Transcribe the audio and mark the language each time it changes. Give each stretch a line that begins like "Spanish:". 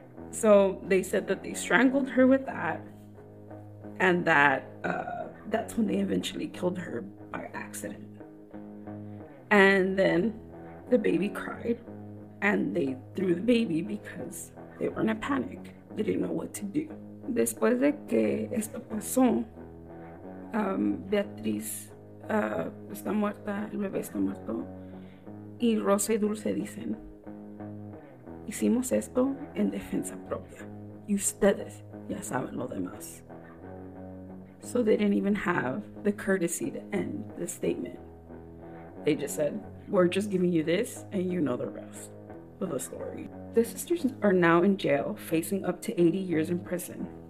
English: So they said that they strangled her with that and that that's when they eventually killed her by accident. And then the baby cried and they threw the baby because they were in a panic. They didn't know what to do.
Spanish: Después de que esto pasó, Beatriz está muerta, el bebé está muerto, y Rosa y Dulce dicen, hicimos esto en defensa propia. Y ustedes ya saben lo demás.
English: So they didn't even have the courtesy to end the statement. They just said, we're just giving you this and you know the rest of the story. The sisters are now in jail, facing up to 80 years in prison.